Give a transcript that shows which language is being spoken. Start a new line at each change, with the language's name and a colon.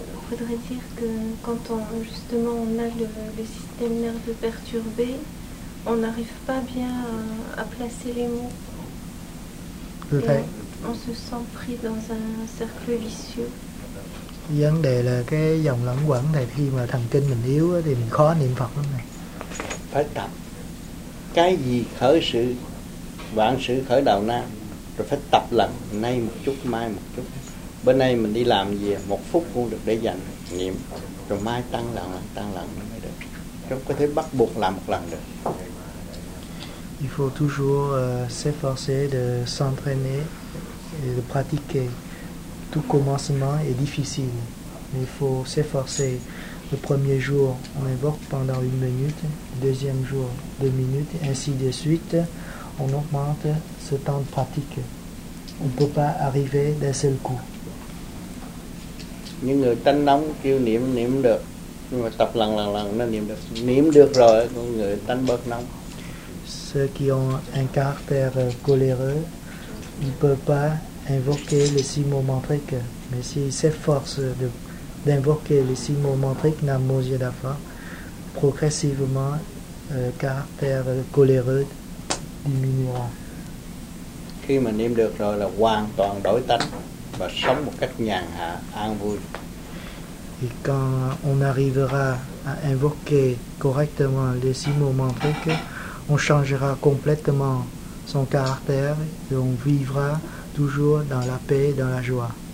French: Je voudrais dire que quand on a le système nerveux perturbé, on n'arrive pas bien à placer les mots. On se sent pris dans un cercle vicieux.
Vietnamese: Vấn đề là cái dòng lẩn quẩn này, khi mà thần kinh mình yếu thì mình khó niệm Phật lắm này. Phải tập. Cái gì khởi sự vạn sự khởi đầu nam, rồi phải tập lần nay một chút, mai một chút. Bên nay mình đi làm gì, một phút cũng được để dành niệm, rồi mai tăng lần nó mới được. Không có thể bắt buộc làm một lần được.
French: Il faut toujours s'efforcer de s'entraîner et de pratiquer. Tout commencement est difficile, mais il faut s'efforcer. Le premier jour, on invoque pendant une minute, deuxième jour, deux minutes, ainsi de suite, on augmente ce temps de pratique. On ne peut pas arriver d'un seul coup.
Vietnamese: Những người tánh nóng kêu niệm được, nhưng mà tập lần nó niệm được. Niệm được rồi, người tánh bớt nóng.
French: Ceux qui ont un caractère coléreux, ils ne peuvent pas invoquer les six mots mantriques, mais s'ils s'efforcent d'invoquer les six mots mantriques, Namo Yadapha, progressivement, caractère coléreux diminuera.
Vietnamese: Khi mà niệm được rồi là hoàn toàn đổi tánh và sống một cách nhàn hạ, an vui.
French: Et quand on arrivera à invoquer correctement les six mots mantriques, on changera complètement son caractère et on vivra toujours dans la paix et dans la joie.